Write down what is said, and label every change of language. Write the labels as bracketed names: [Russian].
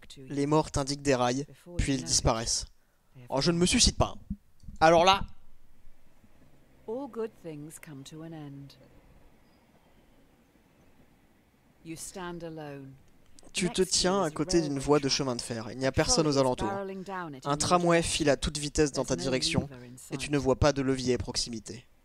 [French] Les morts t'indiquent des rails, puis ils disparaissent. Oh, je ne me suicide pas. Alors là. [English] All good things come to an end. You stand alone. [French] Tu te tiens à côté d'une voie de chemin de fer. Il n'y a personne aux alentours. Un tramway file à toute vitesse dans ta direction et tu ne vois pas de levier à proximité.